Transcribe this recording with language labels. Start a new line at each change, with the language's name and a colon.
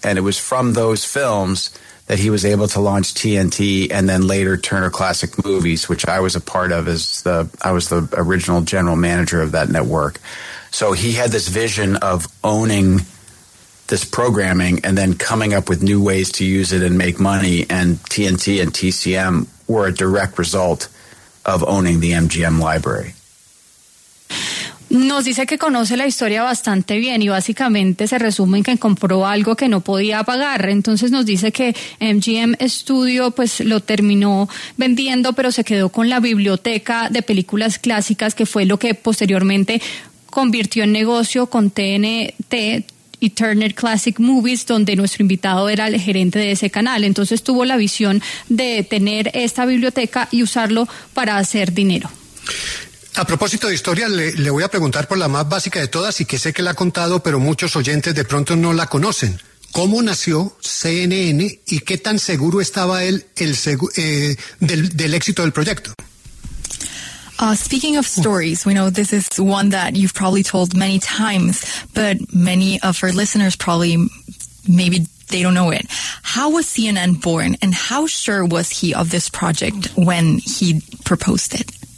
English: And it was from those films that he was able to launch TNT and then later Turner Classic Movies, which I was a part of I was the original general manager of that network. So he had this vision of owning this programming and then coming up with new ways to use it and make money. And TNT and TCM were a direct result of owning the MGM library.
Spanish: Nos dice que conoce la historia bastante bien y básicamente se resume en que compró algo que no podía pagar. Entonces nos dice que MGM Studio pues lo terminó vendiendo, pero se quedó con la biblioteca de películas clásicas, que fue lo que posteriormente convirtió en negocio con TNT y Turner Classic Movies, donde nuestro invitado era el gerente de ese canal. Entonces tuvo la visión de tener esta biblioteca y usarlo para hacer dinero. A propósito de historia, le voy a preguntar por la más básica de todas y que sé que la ha contado, pero muchos oyentes de pronto no la conocen. ¿Cómo nació CNN y qué tan seguro estaba él del éxito del proyecto?
English: Speaking of stories, we know this is one that you've probably told many times, but many of our listeners probably maybe they don't know it. How was CNN born and how sure was he of this project when he proposed it?